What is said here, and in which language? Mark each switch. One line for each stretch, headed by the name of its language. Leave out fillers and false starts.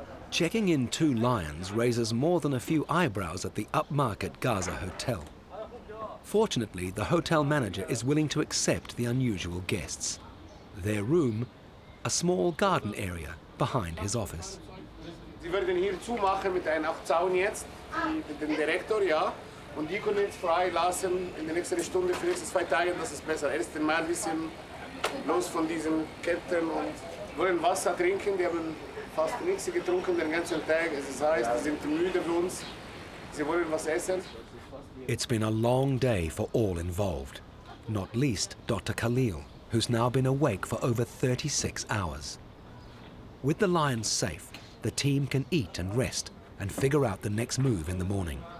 English: Checking in two lions raises more than a few eyebrows at the upmarket Gaza hotel. Fortunately, the hotel manager is willing to accept the unusual guests. Their room, a small garden area behind his office.
German: Sie werden hier zumachen mit einem Zaun jetzt, mit dem Direktor, ja. Und die können jetzt frei lassen in der nächsten Stunde, für die nächsten 2 Tage, das ist besser. Erstes Mal ein bisschen los von diesen Ketten und wollen Wasser trinken. Die haben fast nichts getrunken den ganzen Tag. Es ist heiß, die sind müde für uns. Sie wollen was essen.
English: It's been a long day for all involved, not least Dr. Khalil, who's now been awake for over 36 hours. With the lions safe, the team can eat and rest and figure out the next move in the morning.